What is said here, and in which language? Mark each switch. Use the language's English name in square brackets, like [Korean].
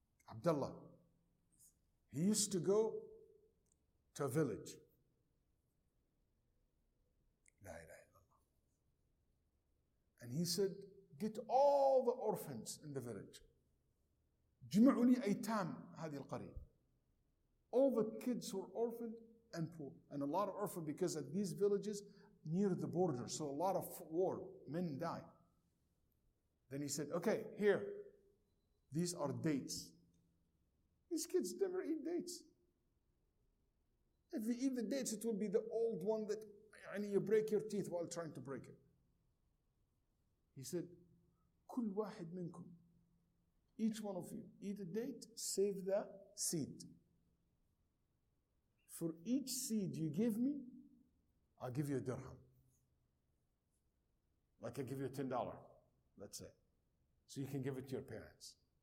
[English] Abdullah, he used to go to a village. La ilaha illallah. And he said, get all the orphans in the village. [Arabic] جمعوني أيتام هذه القرية. [English] All the kids were orphaned and poor. And a lot of orphans because at these villages near the border. So a lot of war, men died. Then he said, okay, here. These are dates. These kids never eat dates. If you eat the dates, it will be the old one that you break your teeth while trying to break it. He said, [Arabic] كل واحد منكم. [English] Each one of you, eat a date, save the seed. For each seed you give me, I'll give you a dirham. Like I give you $10, let's say. So you can give it to your parents.